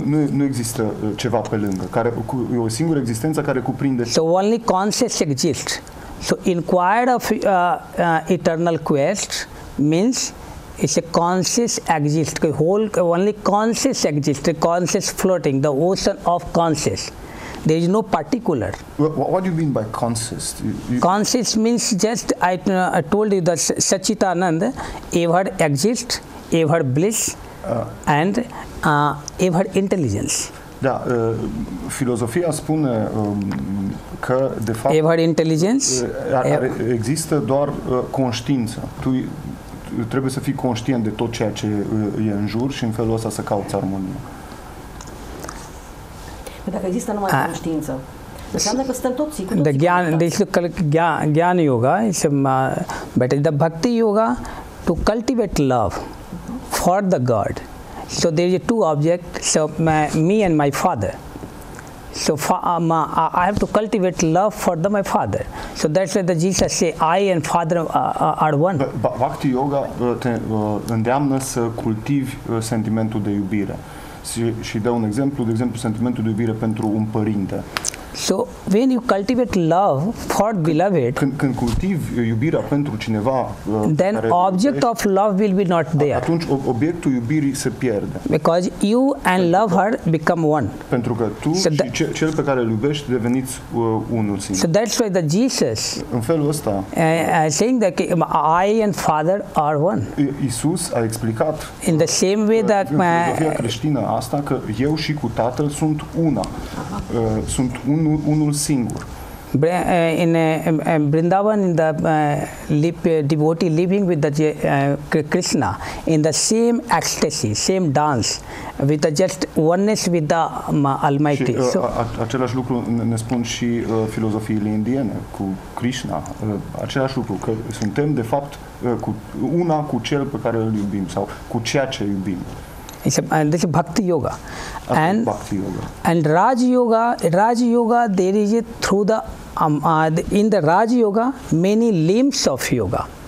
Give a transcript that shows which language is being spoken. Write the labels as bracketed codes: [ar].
[ro] Nu există ceva pe lângă, care e o singură existență care cuprinde. [en] So only conscious exist. So inquire of eternal quest means it's a conscious exist. Only conscious exist. Conscious floating, the ocean of conscious. There is no particular. What do you mean by conscious? Conscious means just, I told you that Satchitananda ever exist, ever bliss, and ever intelligence. [ro] Da, filozofia spune că, de fapt, [en] ever intelligence, [ro] există doar conștiință. Tu trebuie să fii conștient de tot ceea ce e în jur și în felul ăsta să cauți armonie. Dacă există numai conștiință, înseamnă că suntem toți cu [en] Jnana Yoga, but the Bhakti Yoga to cultivate love for the God. So there is two objects, so me and my father. So I have to cultivate love for my father. So that's why the Jesus say, I and father are one. [ro] Bhakti Yoga te îndeamnă să cultivi sentimentul de iubire. Și dă un exemplu, de exemplu, sentimentul de iubire pentru un părinte. [en] So when you cultivate love for beloved, [ro] când cultiv iubirea pentru cineva, [en] then object of love will be not there. [ro] Atunci obiectul iubirii se pierde. [en] Because you and love her become one. [ro] Pentru că tu și cel pe care îl iubești deveniți unul singur. [en] So that's why the Jesus. [ro] În felul ăsta. [en] Saying that I and Father are one. [ro] Iisus a explicat. [en] In the same way that [ro] filosofia creștină asta că eu și cu Tatăl sunt una. Sunt unul singur. [en] In Vrindavan, in the devotee living with the Krishna, in the same ecstasy, same dance, with the just oneness with the Almighty. [ro] Și, același lucru ne spun și filozofiile indiene cu Krishna. Același lucru, că suntem de fapt una cu cel pe care îl iubim sau cu ceea ce iubim. [en] This is Bhakti Yoga. And Bhakti Yoga. And Raj Yoga, there is a through the, in the Raj Yoga, many limbs of yoga.